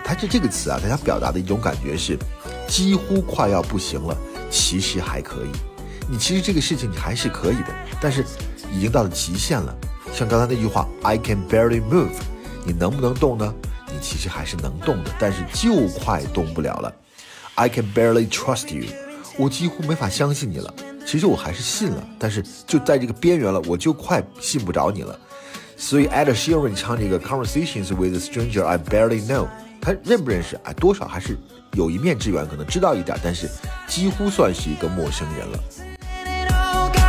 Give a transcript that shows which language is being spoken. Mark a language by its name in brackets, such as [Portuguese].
[Chinese] 它是这个词啊，它想表达的一种感觉是，几乎快要不行了，其实还可以。你其实这个事情你还是可以的，但是已经到了极限了。像刚才那句话 ， [English] I can barely move， [Chinese] 你能不能动呢？你其实还是能动的，但是就快动不了了。 [English] I can barely trust you， [Chinese] 我几乎没法相信你了。其实我还是信了，但是就在这个边缘了，我就快信不着你了。所以 Ed Sheeran 唱这个 [English] Conversations with a Stranger I Barely Know， [Chinese] 他认不认识啊？多少还是有一面之缘，可能知道一点，但是几乎算是一个陌生人了。